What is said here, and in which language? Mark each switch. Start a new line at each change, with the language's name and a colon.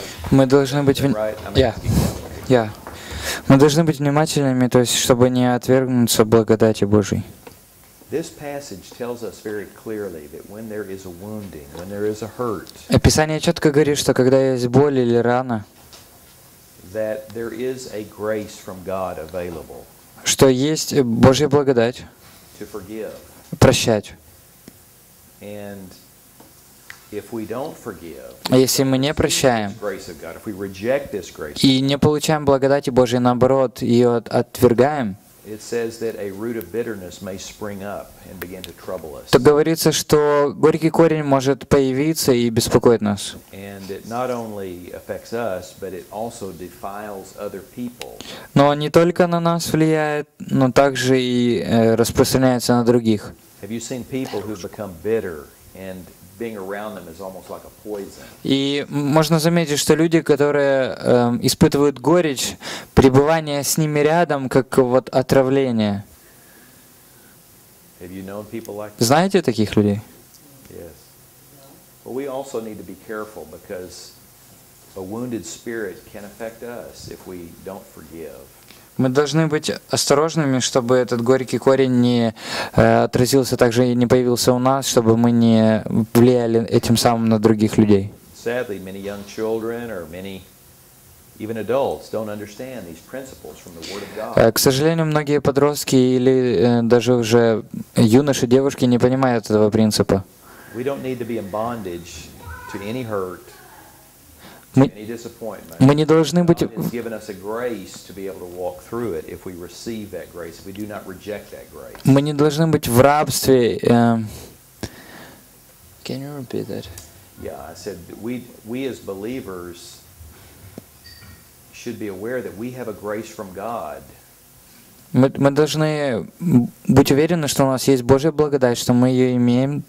Russian: Мы должны быть внимательными, то есть, чтобы не отвергнуться благодати Божией.
English: This passage tells us very clearly that when there is a wounding, when there is a hurt.
Russian: Описание четко говорит, что когда есть боль или рана,
English: that there is a grace from God available.
Russian: Что есть Божья благодать.
English: To forgive.
Russian: Прощать.
English: And if we don't forgive.
Russian: А если мы не прощаем.
English: Grace of God, if we reject this grace.
Russian: И не получаем благодати Божьей, наоборот, ее отвергаем.
English: It says that a root of bitterness may spring up and begin to trouble us.
Russian: То говорится, что горький корень может появиться и беспокоить нас.
English: And it not only affects us, but it also defiles other people.
Russian: Но не только на нас влияет, но также и распространяется на других.
English: Have you seen people who've become bitter and being around them is almost like a poison?
Russian: И можно заметить, что люди, которые испытывают горечь, пребывание с ними рядом как вот отравление.
English: Have you known people like that?
Russian: Знаете таких людей?
English: Yes. But we also need to be careful because a wounded spirit can affect us if we don't forgive.
Russian: Мы должны быть осторожными, чтобы этот горький корень не отразился также и не появился у нас, чтобы мы не влияли этим самым на других людей.
English: Sadly, many young children or many even adults don't understand these principles from the Word of God.
Russian: К сожалению, многие подростки или даже уже юноши, девушки не понимают этого принципа.
English: We don't need to be in bondage to any hurt.
Russian: Мы не должны быть в рабстве.
English: Can you repeat that? Yeah, I said we as believers should be aware that we have a grace from God.
Russian: Мы должны быть уверены, что у нас есть Божья благодать, что мы ее имеем.